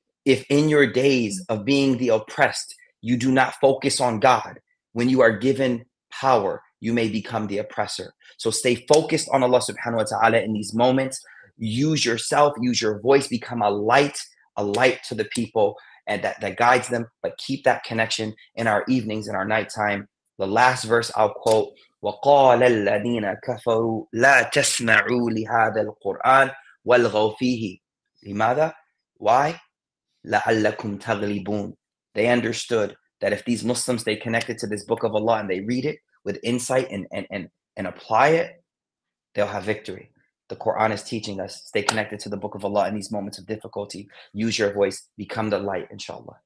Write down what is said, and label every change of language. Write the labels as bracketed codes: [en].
[en] If in your days of being the oppressed, you do not focus on God, when you are given power, you may become the oppressor. So stay focused on Allah subhanahu wa ta'ala in these moments. Use yourself, use your voice, become a light to the people, and that guides them, but keep that connection in our evenings, in our nighttime. The last verse I'll quote, [ar] وَقَالَ الَّذِينَ كَفَرُوا لَا تَسْمَعُوا لِهَذَا الْقُرْآنِ وَالْغَوْ فِيهِ. لِمَاذَا? [en] Why? [ar] لَعَلَّكُمْ تَغْلِبُونَ. [en] They understood that if these Muslims stay connected to this book of Allah and they read it with insight and apply it, they'll have victory. The Quran is teaching us, stay connected to the book of Allah in these moments of difficulty. Use your voice, become the light, inshallah.